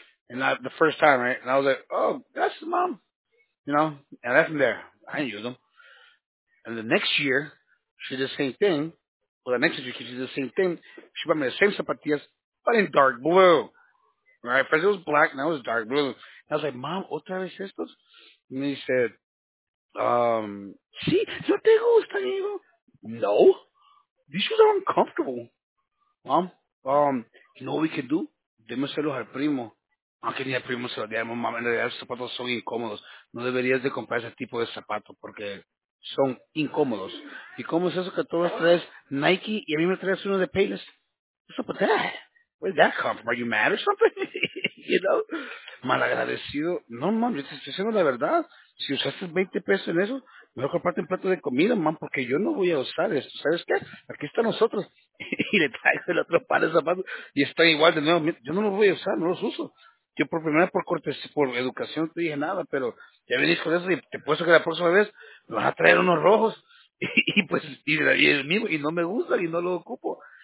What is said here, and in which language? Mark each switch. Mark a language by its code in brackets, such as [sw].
[en] And I, the first time, right? And I was like, oh, that's the mom. You know? And that's from there. I didn't use them. And the next year, she did the same thing. Well, the next year, she did the same thing. She bought me the same zapatillas, but in dark blue. Right? First, it was black, now it was dark blue. And I was like, mom, ¿otra vez estos? [es] And he said, sí, ¿no te gusta, amigo? No. [en] These shoes are uncomfortable. Mom, you know what we can do? [es] Démoselos al primo. Aunque ni al primo se lo diamos, mamá. En realidad, esos zapatos son incómodos. No deberías de comprar ese tipo de zapatos porque son incómodos. ¿Y cómo es eso que tú traes Nike y a mí me traes uno de Payless? [en] What's up with that? Where did that come from? Are you mad or something? You know? Malagradecido. [es] No, mam, yo te estoy diciendo la verdad. Si usaste 20 pesos en eso, mejor comparte un plato de comida, mam, porque yo no voy a usar esto. ¿Sabes qué? Aquí están nosotros. Y le traigo el otro par de zapatos y están igual de nuevo. Yo no los voy a usar, no los uso. Yo por primera vez por cortes, por educación, no te dije nada, pero ya venís con eso y te puesto que la próxima vez me vas a traer unos rojos y pues y el mismo y no me gustan y no los ocupo.